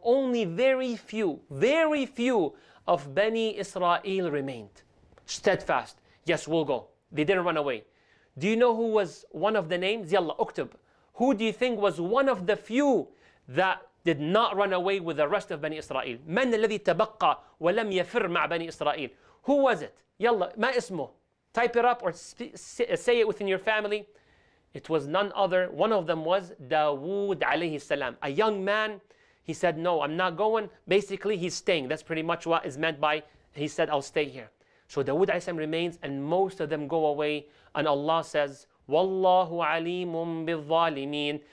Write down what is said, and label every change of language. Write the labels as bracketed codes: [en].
[en] Only very few of Bani Israel remained. Steadfast. Yes, we'll go. They didn't run away. Do you know who was one of the names? [ar] يلا, اكتب. [en] Who do you think was one of the few that did not run away with the rest of Bani Israel? [ar] من الذي تبقى ولم يفر مع بني إسرائيل? [en] Who was it? [ar] يلا, ما اسمه? [en] Type it up or say it within your family. It was none other. One of them was Dawood alayhi salam. A young man, he said, no, I'm not going. Basically, he's staying. That's pretty much what is meant by, he said, I'll stay here. So Dawood alayhi salam remains and most of them go away. And Allah says, [ar] وَاللَّهُ عَلِيمٌ بِالظَّالِمِينَ.